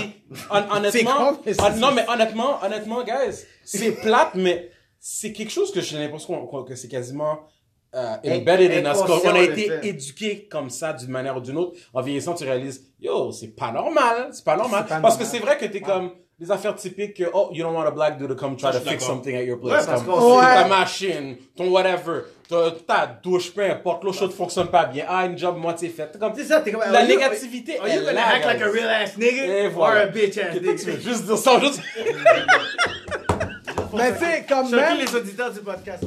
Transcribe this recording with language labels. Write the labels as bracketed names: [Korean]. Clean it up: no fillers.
[French] Puis, honnêtement. honnêtement, guys, c'est plate, mais c'est quelque chose que j'ai l'impression que c'est quasiment embedded in us. On a été éduqué comme ça d'une manière ou d'une autre. En vieillissant, tu réalises, yo, c'est pas normal. C'est pas normal. Parce que c'est vrai que t'es comme. Les affaires typiques que, oh, you don't want a black dude to come try to fix something at your place. Ouais, comme ouais. Ta machine, ton whatever, ta douche, peu importe, l'eau chaude fonctionne pas bien. Ah, une job moitié faite. Comme, c'est ça, t'es comme, la négativité. [English] Are you gonna act like a real ass nigga? [French] Et voilà. [English] Or a bitch ass nigga? [French] Tu veux juste dire ça, juste. Mais tu sais, quand même. Les auditeurs du podcast.